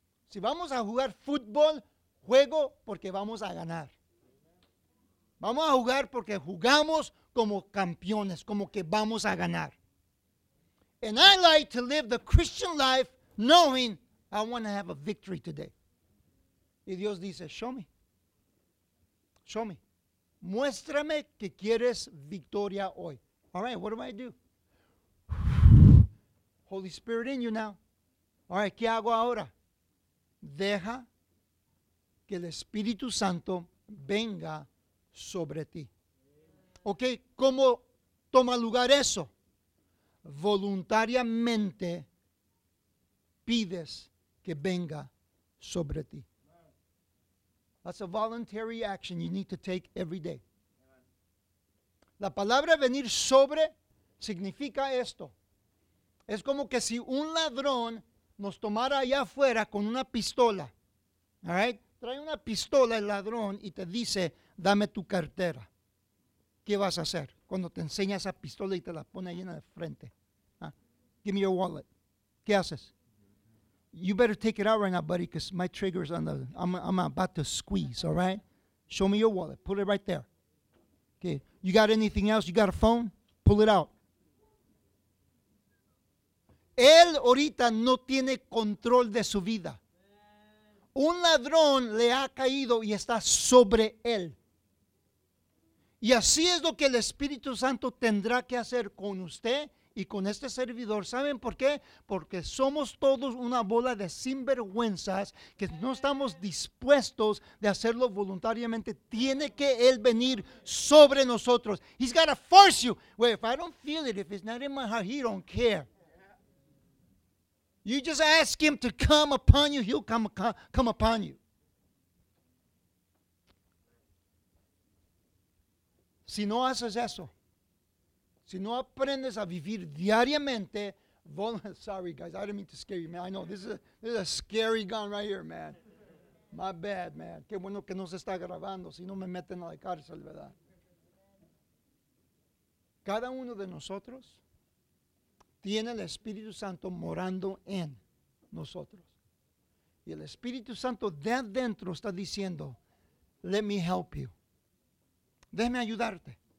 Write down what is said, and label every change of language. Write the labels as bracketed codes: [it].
[es] Si vamos a jugar fútbol, juego porque vamos a ganar. Vamos a jugar porque jugamos como campeones, como que vamos a ganar. [en] And I like to live the Christian life knowing I want to have a victory today. [es] Y Dios dice, [en] show me, [es] muéstrame que quieres victoria hoy. [en] All right, what do I do? Holy Spirit in you now. All right, [es] ¿qué hago ahora? Deja que el Espíritu Santo venga sobre ti. Ok, ¿cómo toma lugar eso? Voluntariamente pides que venga sobre ti. [en] That's a voluntary action you need to take every day. [es] La palabra venir sobre significa esto. Es como que si un ladrón nos tomara allá afuera con una pistola. All right? Trae una pistola el ladrón y te dice, dame tu cartera. ¿Qué vas a hacer cuando te enseña esa pistola y te la pone llena de frente? [en] Give me your wallet. [es] ¿Qué haces? [en] You better take it out right now, buddy, because my trigger's on the, I'm about to squeeze, all right? Show me your wallet. Put it right there. Okay. You got anything else? You got a phone? Pull it out. [es] Él ahorita no tiene control de su vida. Un ladrón le ha caído y está sobre él. Y así es lo que el Espíritu Santo tendrá que hacer con usted y con este servidor. ¿Saben por qué? Porque somos todos una bola de sinvergüenzas que no estamos dispuestos de hacerlo voluntariamente. Tiene que Él venir sobre nosotros. [en] He's got to force you. Well, if I don't feel it, if it's not in my heart, He don't care. You just ask Him to come upon you, He'll come upon you. [es] Si no haces eso, si no aprendes a vivir diariamente, [en] sorry guys, I didn't mean to scare you, man. I know this is a scary gun right here, man. My bad, man. [es] Qué bueno que no se está grabando, si no me meten a la cárcel, ¿verdad? Cada uno de nosotros tiene el Espíritu Santo morando en nosotros. Y el Espíritu Santo de adentro está diciendo, [en] let me help you. [es] Déjame ayudarte.